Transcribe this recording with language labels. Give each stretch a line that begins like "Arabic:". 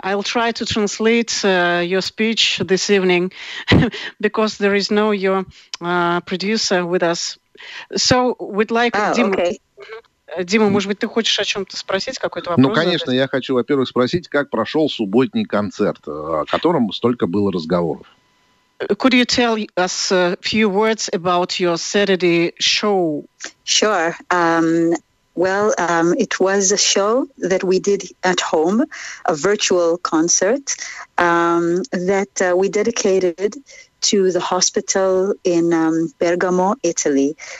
English: I'll try to translate your speech this evening because there is no your producer with us. So we'd like Dima. Okay.
Russian: Дима, может быть, ты хочешь о чем-то спросить, какой-то вопрос? Ну, конечно, задать? Я хочу, во-первых, спросить, как прошел субботний концерт, о котором столько было разговоров.
English: Could you tell us a few words about your Saturday show? Sure. It was a show that we did at home, a virtual concert that we dedicated to the hospital in Bergamo, Italy.